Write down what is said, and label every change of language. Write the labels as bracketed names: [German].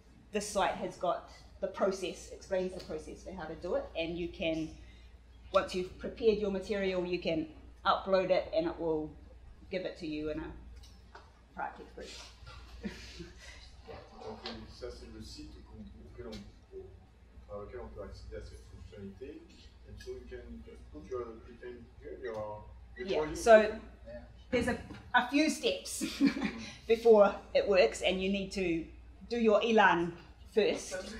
[English] This site has got the process, explains the process for how to do it, and you can once you've prepared your material, you can upload it and it will give it to you in a practice group. [French] Ça, c'est le site auquel on, par lequel on peut accéder à cette fonctionnalité. [English] And so you can put your pretend here, your So there's a few steps before it works, and you need to do your elan first.